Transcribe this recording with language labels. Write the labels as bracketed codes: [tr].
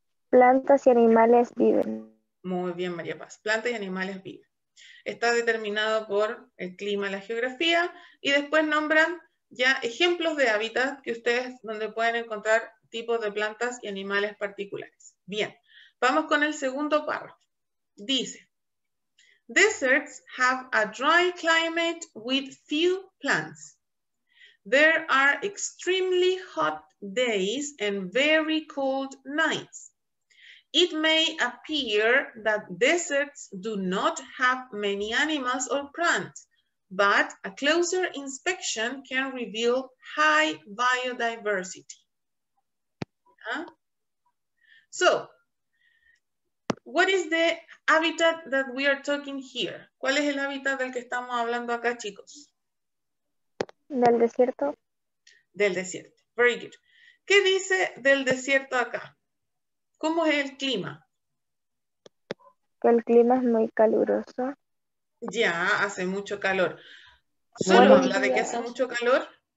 [es] Plantas y animales viven. Muy bien, María Paz. Plantas y animales viven. Está determinado por el clima, la geografía, y después nombran ya ejemplos de hábitat que ustedes, donde pueden encontrar tipos de plantas y animales particulares. Bien, vamos con el segundo párrafo. [en] Dice, deserts have a dry climate with few plants. There are extremely hot days and very cold nights. It may appear that deserts do not have many animals or plants, but a closer inspection can reveal high biodiversity. Huh? So, what is the habitat that we are talking here? [es] ¿Cuál es el hábitat del que estamos hablando acá, chicos? Del desierto. Del desierto. [en] Very good. [es] ¿Qué dice del desierto acá? ¿Cómo es el clima? Que el clima es muy caluroso. Ya, hace mucho calor. ¿Solo habla de que hace mucho calor?